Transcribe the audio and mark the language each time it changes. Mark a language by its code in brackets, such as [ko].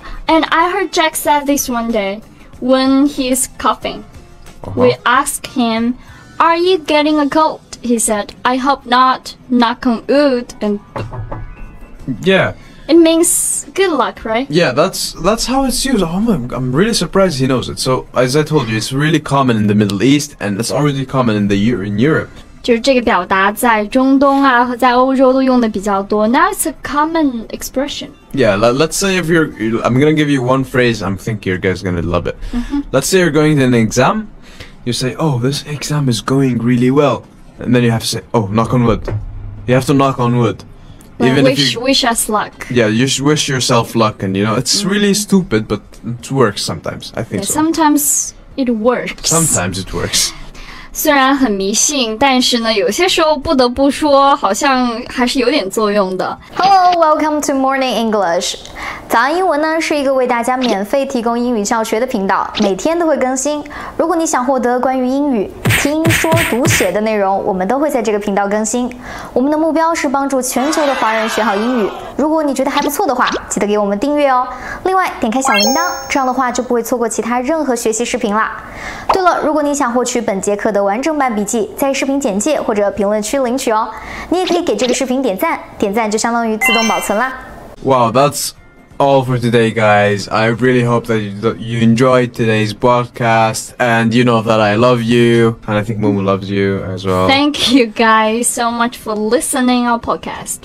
[en] And I heard Jack said this one day, when he's coughing, we ask him, are you getting a cold? He said, I hope not, knock on wood. And yeah. It means good luck, right? Yeah, that's how it's used. Oh, I'm really surprised he knows it. So, as I told you, it's really common in the Middle East, and it's already common in Europe. [zh] 就是这个表达在中东啊和在欧洲都用的比较多。 [en] Now it's a common expression. Yeah, let's say if you're... I'm going to give you one phrase. I think you guys are going to love it. Let's say you're going to an exam. You say, oh, this exam is going really well. And then you have to say, oh, knock on wood. You have to knock on wood. Wish us luck. Yeah, you should wish yourself luck. And you know, it's really stupid, but it works sometimes, I think. Sometimes it works. Sometimes it works. [zh] 虽然很迷信，但是呢，有些时候不得不说，好像还是有点作用的。 [en] Hello, welcome to Morning English. [zh] 早安英文呢，是一个为大家免费提供英语教学的频道，每天都会更新。如果你想获得关于英语听说读写的内容，我们都会在这个频道更新。我们的目标是帮助全球的华人学好英语。如果你觉得还不错的话，记得给我们订阅哦。另外，点开小铃铛，这样的话就不会错过其他任何学习视频啦。对了，如果你想获取本节课的完整版笔记，在视频简介或者评论区领取哦。你也可以给这个视频点赞，点赞就相当于自动保存啦。 [en] Wow, that's all for today, guys. I really hope that you enjoyed today's broadcast, and you know that I love you, and I think Mumu loves you as well. Thank you, guys, so much for listening our podcast.